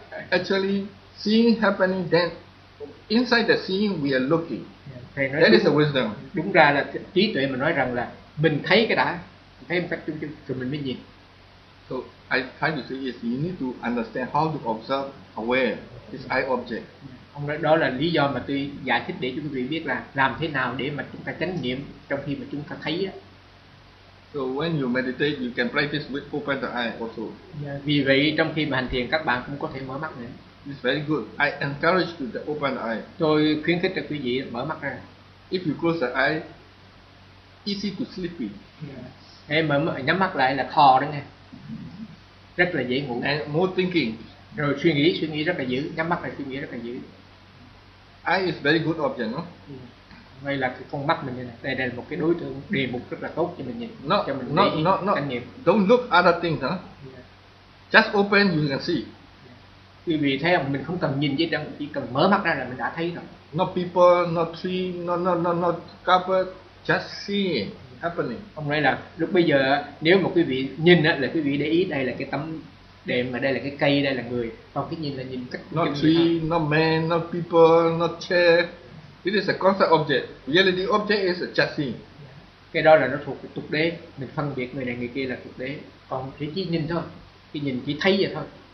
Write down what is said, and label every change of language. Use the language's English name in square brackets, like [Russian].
[English] Actually, seeing happening, then inside the seeing we are looking. Yeah, that [Vietnamese] đúng, [English] is the wisdom. [Vietnamese] Đúng ra là trí tuệ mà nói rằng là mình thấy cái đã, thấy một cách chung rồi mình mới nhìn. [English] So I try to say is you need to understand how to observe aware this eye object. [Vietnamese] Ông đó là lý do mà tôi giải thích để chúng quý vị biết là làm thế nào để mà chúng ta chánh niệm trong khi mà chúng ta thấy á. [English] So when you meditate, you can practice with open the eye also. [Vietnamese] Yeah, vì vậy trong khi mà hành thiền các bạn cũng có thể mở mắt nữa. [English] It's very good. I encourage you to open the eye. [Vietnamese] Tôi khuyến khích cho quý vị mở mắt ra. [English] If you close the eye, easy to sleep with. Yeah. [Vietnamese] Em nhắm mắt lại là khó đó nghe. Rất là dễ ngủ. [English] And more thinking. [Vietnamese] Rồi suy nghĩ rất là dữ. Nhắm mắt lại suy nghĩ rất là dữ. [English] Eye is very good option, no? Yeah. [Vietnamese] Đây là cái con mắt mình nhìn, đây là một cái đối tượng đề mục rất là tốt cho mình nhìn, [English] no, [Vietnamese] cho mình thấy kinh nghiệm. [English] Don't look other things, huh? Yeah. Just open, you can see. [Vietnamese] Quý vị thấy không? Mình không cần nhìn gì, chỉ cần mở mắt ra là mình đã thấy rồi. [English] Not people, not tree, not carpet, just seeing happening. [Vietnamese] Ông nói là lúc bây giờ nếu mà quý vị nhìn á, là quý vị để ý đây là cái tấm đệm, mà đây là cái cây, đây là người. Còn cái nhìn là nhìn cách [English] not tree, not man, not people, not chair. It is a concept object. Reality object is a just seeing. [Vietnamese] Cái đó là nó thuộc cái tục đế. Mình phân biệt người này người kia là tục đế. Còn cái chỉ nhìn thôi. Cái nhìn chỉ thấy vậy thôi.